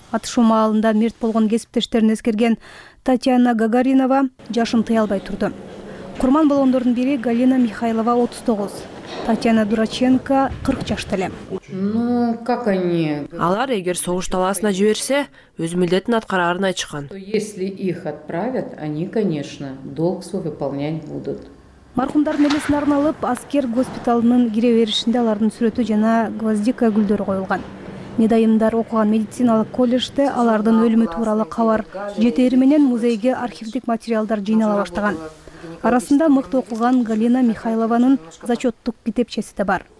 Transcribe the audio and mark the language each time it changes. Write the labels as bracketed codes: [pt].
[ky] Атышуу маалында мерт болгон кесиптештерин эскерген Татьяна Гагаринова жашын тыя албай турду. Курман болгондордун бири Галина Михайлова 39. Татьяна Дураченко 40 жашта эле. [ru] Как они? [ky] Алар эгер согуш талаасына жиберсе, өз милдетин аткарарын айтышкан. [ru] Если их отправят, они, конечно, долг свой выполнять будут. [ky] Маркумдардын элесине арналып, аскер госпиталынын кире беришинде алардын сүрөтү жана гвоздика гүлдөрү коюлган. Медайымдар окуган медициналык колледжде алардын өлүмү тууралуу кабар жетери менен музейге архивдик материалдар жыйнала баштаган. Арасында мыкты окуган Галина Михайлованын зачеттук китепчеси да бар.